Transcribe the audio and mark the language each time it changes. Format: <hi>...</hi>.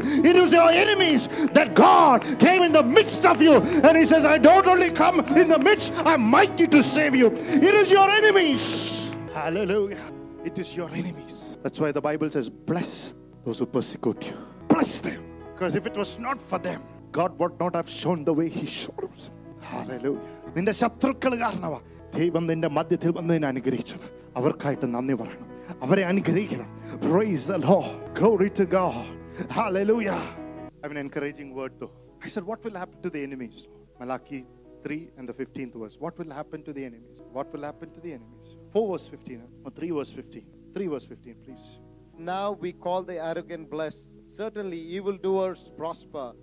<en>It was your enemies that God came in the midst of you, and he says, I don't only come in the midst, I'm mighty to save you. It is your enemies. Hallelujah. It is your enemies. That's why the Bible says, bless those who persecute you. Bless them. Because if it was not for them, God would not have shown the way he showed himself. Hallelujah.</en> <ml>നിന്റെ ശത്രുക്കളെ കാരണവ ദൈവം നിന്റെ മധ്യത്തിൽ വന്നു നിന്നെ അനുഗ്രഹിച്ചത് അവർക്കായിട്ട് നന്ദി പറയണം. അവരെ അനുഗ്രഹിക്കണം.</ml> <en>Praise the Lord. Glory to God. Hallelujah. I have an encouraging word though. I said, what will happen to the enemies? Malachi 3 and the 15th verse. What will happen to the enemies? What will happen to the enemies? 4 verse 15. Or 3 verse 15. 3 verse 15, please. Now we call the arrogant blessed. Certainly evildoers prosper.</en>